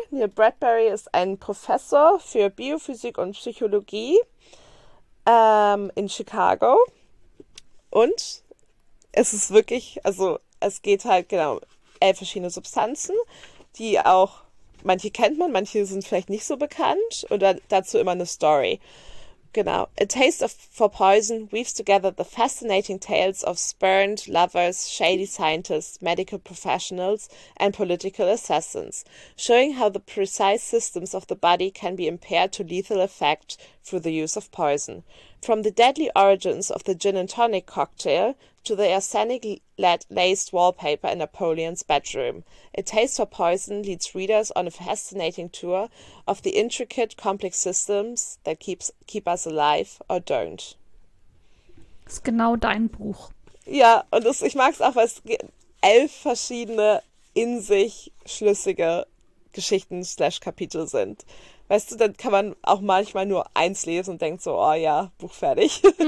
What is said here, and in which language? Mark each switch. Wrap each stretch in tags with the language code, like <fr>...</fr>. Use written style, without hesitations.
<de>Neil Bradbury ist ein Professor für Biophysik und Psychologie in Chicago. Und es ist wirklich, also es geht halt genau 11 verschiedene Substanzen, die auch, manche kennt man, manche sind vielleicht nicht so bekannt. Und dann dazu immer eine Story. Genau.</de> <en>A Taste for Poison weaves together the fascinating tales of spurned lovers, shady scientists, medical professionals, and political assassins, showing how the precise systems of the body can be impaired to lethal effect through the use of poison. From the deadly origins of the gin and tonic cocktail to the arsenic laced wallpaper in Napoleon's bedroom, A Taste for Poison leads readers on a fascinating tour of the intricate, complex systems that keep us alive or don't.</en> <de>Ist genau dein Buch. Ja, und ich mag es auch, weil es 11 verschiedene in sich schlüssige Geschichten slash Kapitel sind. Weißt du, dann kann man auch manchmal nur eins lesen und denkt so, oh ja, Buch fertig.</de>